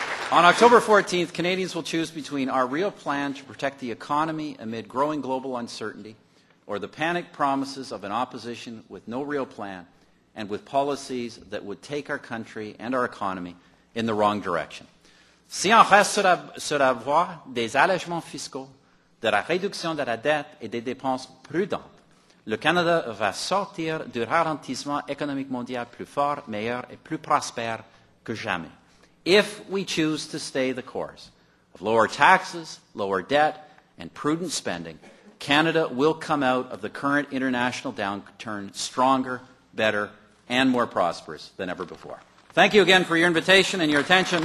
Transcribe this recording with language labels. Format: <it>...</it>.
<en>On October 14th, Canadians will choose between our real plan to protect the economy amid growing global uncertainty or the panicked promises of an opposition with no real plan and with policies that would take our country and our economy in the wrong direction.</en> <fr>Si on reste sur la voie des allègements fiscaux, de la réduction de la dette et des dépenses prudentes, le Canada va sortir du ralentissement économique mondial plus fort, meilleur et plus prospère que jamais.</fr> <en>If we choose to stay the course of lower taxes, lower debt, and prudent spending, Canada will come out of the current international downturn stronger, better, and more prosperous than ever before. Thank you again for your invitation and your attention.</en>